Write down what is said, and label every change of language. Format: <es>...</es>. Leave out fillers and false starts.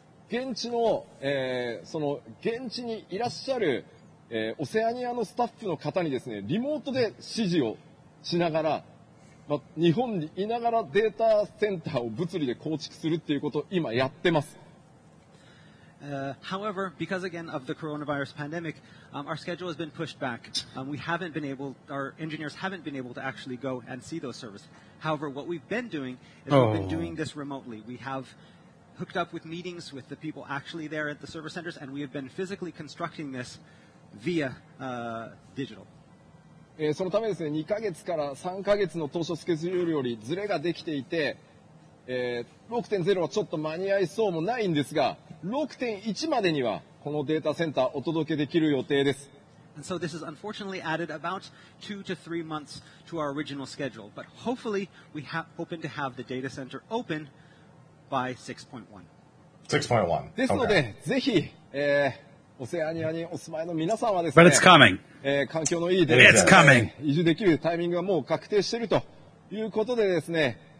<ja>現地の、その、現地にいらっしゃる、オセアニアのスタッフの方にですね、リモートで指示をしながら、ま、日本にいながらデータセンターを物理で構築するっていうことを今やってます。</ja> <en>However, because again of the coronavirus pandemic, our schedule has been pushed back. We haven't been able, our engineers haven't been able to actually go and see those servers. However, what we've been doing is we've been doing this remotely. We have hooked up with meetings with the people actually there at the server centers, and we have been physically constructing this via digital.</en> <ja>そのためですね、2ヶ月から3ヶ月の当初スケジュールよりズレができていて、6.0 はちょっと間に合いそうもないんですが、6.1 までにはこのデータセンターお届けできる予定です。</ja> <en>And so this has unfortunately added about 2 to 3 months to our original schedule. But hopefully we hoping to have the data center open by 6.1. 6.1. Okay.</en> <ja>ですので、ぜひ、オセアニアにお住まいの皆さんはですね。</ja> <en>But it's coming. It's coming.</en> <ja>移住できるタイミングがもう確定しているということでですね。</ja>